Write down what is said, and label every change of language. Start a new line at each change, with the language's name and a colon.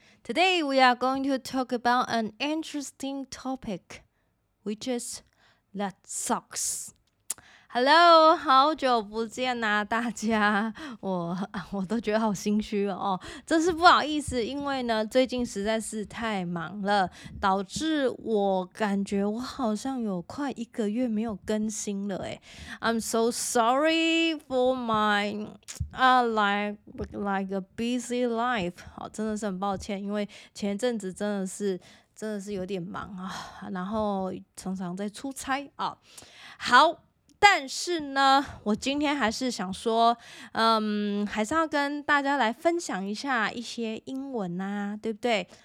English: Today we are going to talk about an interesting topic, which is that sucks.
Chinese: Hello, 好久不见啊，大家，我都觉得好心虚哦，真是不好意思，因为呢，最近实在是太忙了，导致我感觉我好像有快一个月没有更新了诶。
English: I'm so sorry for my, like a busy life.
Chinese: 好，真的是很抱歉，因为前阵子真的是有点忙啊，然后常常在出差啊。好。但是呢，我今天还是想说，还是要跟大家来分享一下一些英文啊，对不对？